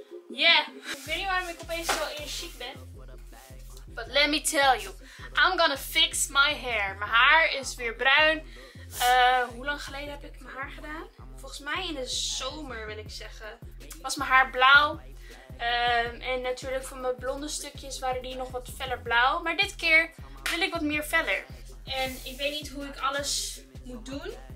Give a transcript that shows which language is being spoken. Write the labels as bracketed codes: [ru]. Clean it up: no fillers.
[nl] Ik weet niet waarom ik opeens zo in chic ben. [en] But let me tell you, I'm gonna fix my hair. [nl] Mijn haar is weer bruin. Hoe lang geleden heb ik mijn haar gedaan? Volgens mij in de zomer, wil ik zeggen. Was mijn haar blauw. En natuurlijk van mijn blonde stukjes waren die nog wat feller blauw. Maar dit keer wil ik wat meer feller. En ik weet niet hoe ik alles moet doen.